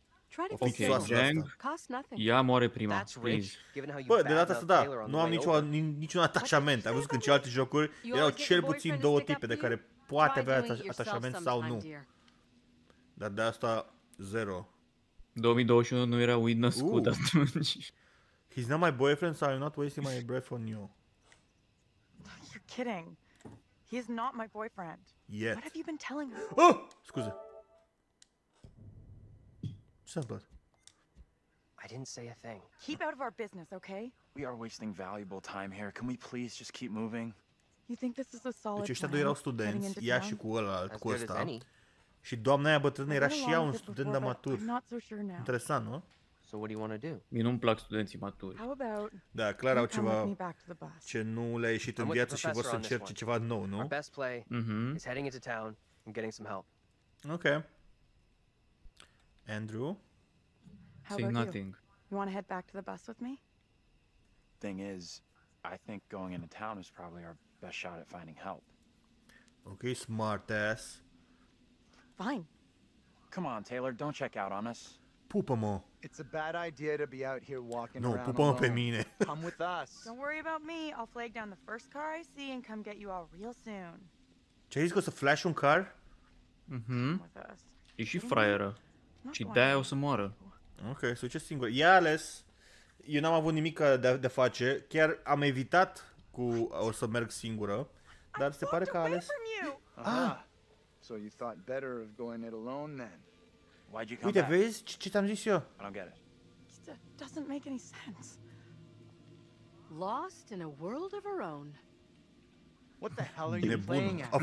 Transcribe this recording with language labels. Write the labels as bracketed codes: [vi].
[en] Try to okay. [ro] Jang, ia moare prima. Bă, de data asta da, nu am niciun atașament. Ai văzut că în celelalte jocuri erau cel puțin două tipe de care poate avea atașament sau nu. Dar de asta zero. 2021 nu era Weed născut atunci. [en] He's not my boyfriend, so I'm not wasting my breath on you. You're kidding. He's not my boyfriend. Yet. What have you been telling her? [ro] Oh! Scuze. Ce s-a întâmplat? [en] I didn't say a thing. Keep out of our business, okay? We are wasting valuable time here. Can we please just keep moving? You think this is a solid [ro] deci ăștia doi erau studenți, ea și cu ălalt, cu ăsta. Și doamna aia bătrână era și ea un student de matur. Interesant, nu? [en] So what do you want to do? [ro] Mie nu-mi plac studenții maturi. [en] How about [ro] da, clar au ceva ce nu le-a ieșit în viață și vor să încerce ceva nou, nu? [en] Our best play is heading into town and getting some help. Ok. Andrew? Say nothing. You want to head back to the bus with me? Thing is, I think going into town is probably our best shot at finding help. Ok, smart ass. Fine. Come on, Taylor, don't check out on us. [ro] Pupă-mă. [en] It's a bad idea to be out here walking no, around. [ro] No, pupă-mă pe mine. [en] Come with us. Don't worry about me. I'll flag down the first car I see and come get you all real soon. [ro] Ce-ai zis că o să flash un car? Mhm. E și fraieră. Și de-aia o să moară. Ok, să duce singur. I-a ales. Eu n-am avut nimic de face. Chiar am evitat cu o să merg singură. Dar se pare că a ales. [en] So you thought better of going it alone then. Why'd you come [ro] uite, [en] back? [ro] Vezi ce ți-am zis eu? [en] I don't get it. It doesn't make any sense. Lost in a world of her own. What the hell are you playing at? Are